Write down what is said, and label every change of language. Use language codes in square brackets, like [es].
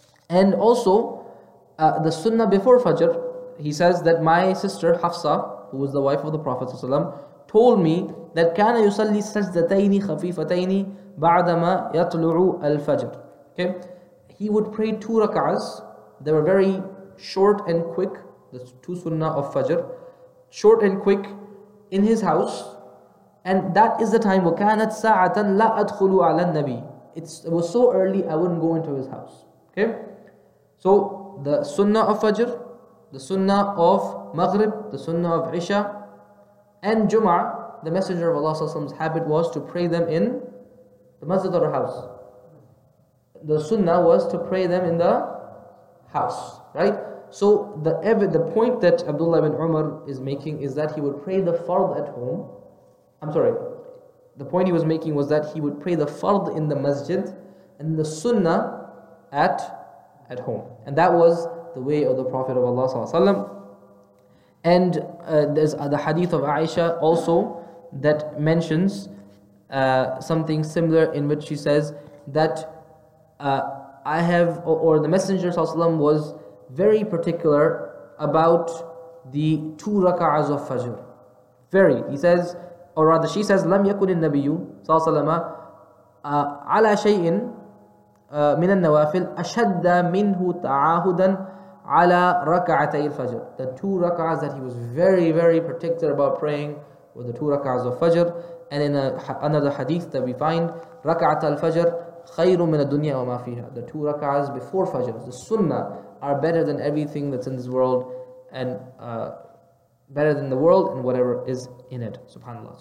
[en] And also, the sunnah before Fajr, he says that my sister Hafsa, who was the wife of the Prophet ﷺ, told me that [ar] كان يصلي سجدتين خفيفتين بعدما يطلع الفجر. [en] Okay, he would pray two rak'ahs. They were very short and quick. The two sunnah of Fajr, short and quick, in his house, and that is the time. [ar] وكانت ساعة لا أدخل على النبي. [en] It was so early, I wouldn't go into his house. Okay, so the sunnah of Fajr, the sunnah of Maghrib, the sunnah of Isha, and Jum'ah, the Messenger of Allah's habit was to pray them in the masjid or house. The sunnah was to pray them in the house, right? So the point that Abdullah bin Umar is making is that he would pray the fard at home. I'm sorry. The point he was making was that he would pray the fard in the masjid and the sunnah at home. And that was the way of the Prophet of Allah sallallahu alaihi wasallam. And there's the hadith of Aisha also that mentions something similar, in which she says that the Messenger sallallahu alaihi wasallam was very particular about the two rak'ahs of Fajr. Very. He says, or rather she says, [ar] لم يكن النبي صلى الله عليه وسلم على شيء من النوافل أشد منه تعاهدا على ركعتي الفجر. [en] The two rak'ahs that he was very, very particular about praying were the two rak'ahs of Fajr. And in another hadith that we find, [ar] ركعت الفجر خير من الدنيا وما فيها. [en] The two rak'ahs before Fajr, the sunnah, are better than everything that's in this world, and better than the world and whatever is in it. Subhanallah.